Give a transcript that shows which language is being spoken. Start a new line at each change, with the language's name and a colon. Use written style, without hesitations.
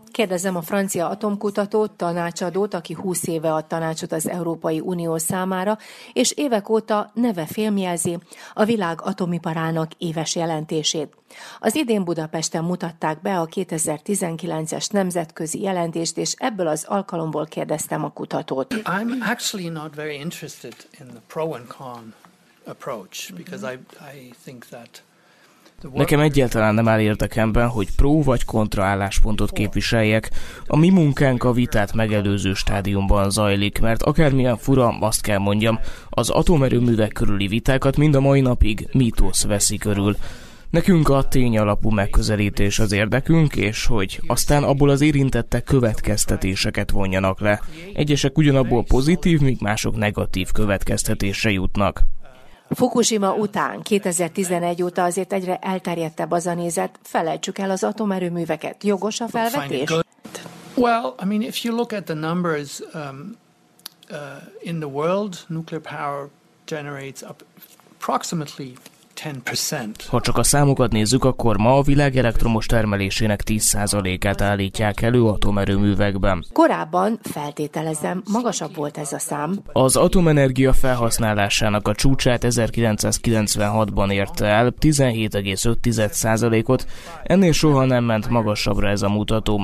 Hungarian: Kérdezem a francia atomkutatót, tanácsadót, aki 20 éve ad tanácsot az Európai Unió számára, és évek óta neve filmjelzi a világ atomiparának éves jelentését. Az idén Budapesten mutatták be a 2019-es nemzetközi jelentést, és ebből az alkalomból kérdeztem a kutatót.
English: I'm actually not very interested in the pro and con approach, because I think that...
Hungarian: Nekem egyáltalán nem áll érdekemben, hogy pró vagy kontra álláspontot képviseljek. A mi munkánk a vitát megelőző stádiumban zajlik, mert akármilyen fura, azt kell mondjam, az atomerőművek körüli vitákat mind a mai napig mítosz veszi körül. Nekünk a tényalapú megközelítés az érdekünk, és hogy aztán abból az érintettek következtetéseket vonjanak le. Egyesek ugyanabból pozitív, míg mások negatív következtetésre jutnak. Fukushima után, 2011 óta azért egyre elterjedtebb az a nézet, felejtsük el az atomerőműveket. Jogos a felvetés?
English: Well, I mean, if you look at the numbers in the world, nuclear power generates approximately 10%.
Hungarian: Ha csak a számokat nézzük, akkor ma a világ elektromos termelésének 10%-át állítják elő atomerőművekben. Korábban, feltételezem, magasabb volt ez a szám. Az atomenergia felhasználásának a csúcsát 1996-ban érte el, 17,5%-ot, ennél soha nem ment magasabbra ez a mutató.